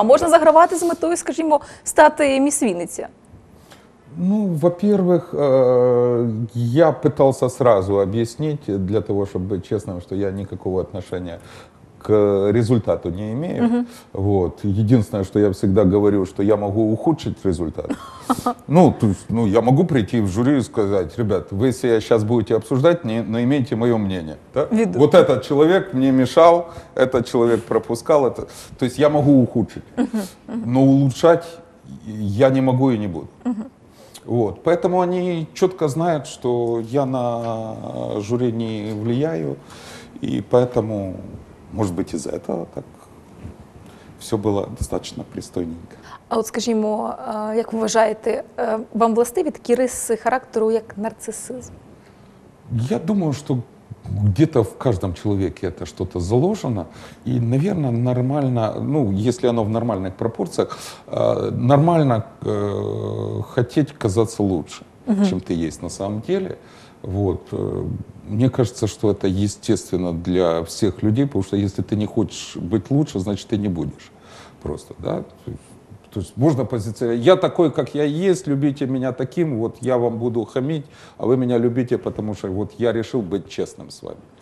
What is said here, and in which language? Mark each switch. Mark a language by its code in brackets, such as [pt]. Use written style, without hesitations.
[uk] А можна загравати з метою, скажімо, стати міс Вінниці? [ru] Ну, во-первых, я пытался сразу объяснить, для того, чтобы быть честным, что я никакого отношения к результату не имею. Вот. Единственное, что я всегда говорю, что я могу ухудшить результат. Ну, то есть, ну, я могу прийти в жюри и сказать: ребят, вы себя сейчас будете обсуждать, но имейте мое мнение. Да? Вот этот человек мне мешал, этот человек пропускал. Это. То есть я могу ухудшить. Но улучшать я не могу и не буду. Вот. Поэтому они четко знают, что я на жюри не влияю. И поэтому... [uk] Може бути, із-за цього так все було достатньо пристойненько. А от скажімо, як ви вважаєте, вам властиві такі риси характеру, як нарцисизм? Я думаю, що где-то в кожному чоловіку це щось заложено. І, мабуть, нормально, ну, якщо воно в нормальних пропорціях, нормально хотіти казатися лучше. [ru] чем ты есть на самом деле. Вот. Мне кажется, что это естественно для всех людей, потому что если ты не хочешь быть лучше, значит, ты не будешь. Просто, да? То есть можно позиционировать. Я такой, как я есть, любите меня таким, вот я вам буду хамить, а вы меня любите, потому что вот я решил быть честным с вами.